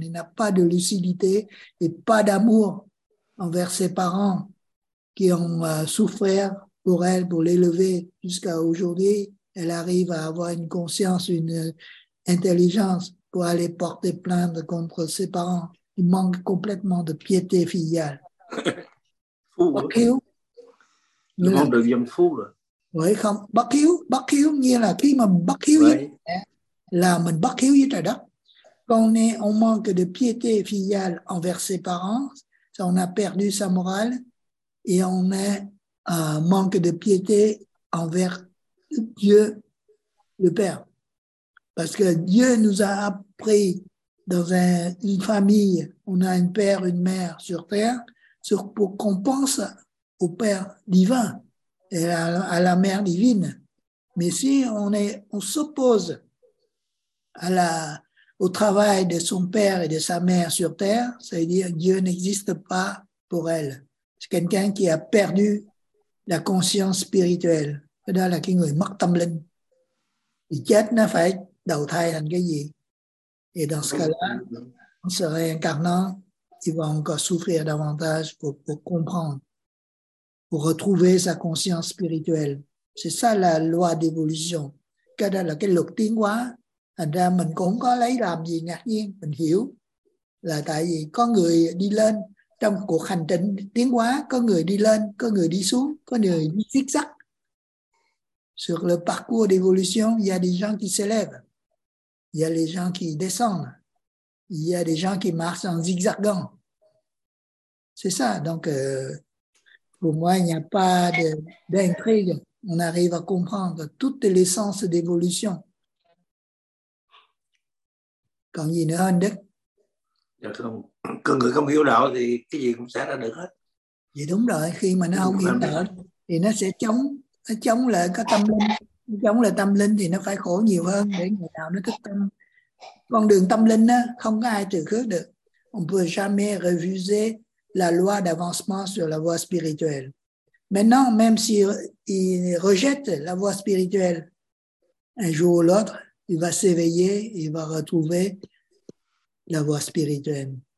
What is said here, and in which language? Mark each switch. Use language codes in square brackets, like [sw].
[fr] Elle n'a pas de lucidité et pas d'amour envers ses parents qui ont souffert pour elle, pour l'élever. Jusqu'à aujourd'hui, elle arrive à avoir une conscience, une intelligence pour aller porter plainte contre ses parents. Il manque complètement de piété filiale. Fou. Le monde devient fou, là. [vi] Oui, không, bất hiếu, bất hiếu nghĩa là khi mà bất hiếu với mẹ là mình bất hiếu với trời đất. [fr] Quand on manque de piété filiale envers ses parents, on a perdu sa morale et on a un manque de piété envers Dieu, le Père. Parce que Dieu nous a appris dans une famille, on a un père, une mère sur terre, pour qu'on pense au Père divin et à la mère divine. Mais si on s'oppose au travail de son père et de sa mère sur terre, ça veut dire que Dieu n'existe pas pour elle. C'est quelqu'un qui a perdu la conscience spirituelle. Et là, la [vi] kinh mắc tâm linh. Il chết nó phải đầu thai thành cái gì. [fr] Et dans ce cas-là, en se réincarnant, il va encore souffrir davantage pour comprendre, pour retrouver sa conscience spirituelle. C'est ça la loi d'évolution. [vi] Cái đó là cái luật tiến hóa. Thành ra mình cũng có lấy làm gì ngạc nhiên, mình hiểu là tại vì có người đi lên trong cuộc hành trình tiến hóa, có người đi lên, có người đi xuống, có người đi xích sắc. [fr] Sur le parcours d'évolution, il y a des gens qui s'élèvent, il y a des gens qui descendent, il y a des gens qui marchent en zigzagant. C'est ça, donc pour moi, il n'y a pas d'intrigue. On arrive à comprendre toute l'essence d'évolution. [vi] Còn gì nữa anh Đức? Dạ thưa ông, con người không hiểu đạo thì cái gì cũng xảy ra được hết. Vậy đúng rồi, khi mà nó không hiểu đạo thì nó sẽ chống lại cái tâm linh. Chống lại tâm linh thì nó phải khổ nhiều hơn để người nào nó thức tâm. Con đường tâm linh á, không có ai từ chối được. [fr] On peut jamais refuser la loi d'avancement sur la voie spirituelle. Maintenant, même s'il rejette la voie spirituelle un jour ou l'autre, il va s'éveiller, il va retrouver la voie spirituelle.